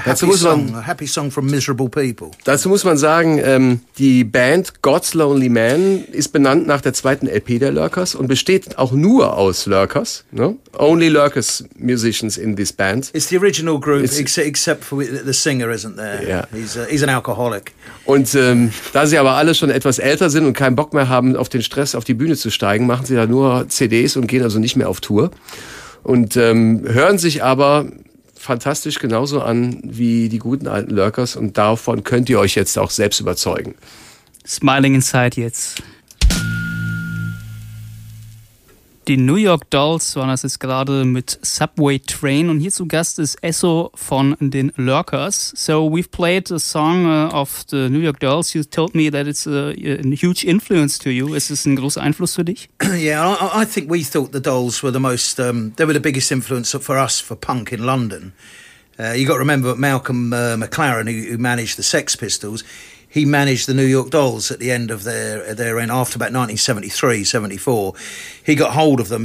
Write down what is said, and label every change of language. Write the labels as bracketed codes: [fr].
[de] Dazu muss man, [en] a happy song from miserable people. [de] Dazu muss man sagen, die Band God's Lonely Man ist benannt nach der zweiten LP der Lurkers und besteht auch nur aus Lurkers. [en] No? Only Lurkers musicians in this band. It's the original group, except for the singer isn't there. Yeah. He's an alcoholic. [de] Und da sie aber alle schon etwas älter sind und keinen Bock mehr haben, auf den Stress auf die Bühne zu steigen, machen sie da nur CDs und gehen also nicht mehr auf Tour. Und hören sich aber fantastisch genauso an wie die guten alten Lurkers. Und davon könnt ihr euch jetzt auch selbst überzeugen. Smiling Inside jetzt. Die New York Dolls waren das jetzt gerade mit Subway Train. Und hier zu Gast ist Esso von den Lurkers. [en] So we've played a song of the New York Dolls. You told me that it's a huge influence to you. [de] Ist es ein großer Einfluss für dich? [en] Yeah, I think we thought the Dolls were the most, they were the biggest influence for us for punk in London. You got to remember Malcolm McLaren, who managed the Sex Pistols, he managed the New York Dolls at the end of their end, after about 1973, 74. He got hold of them.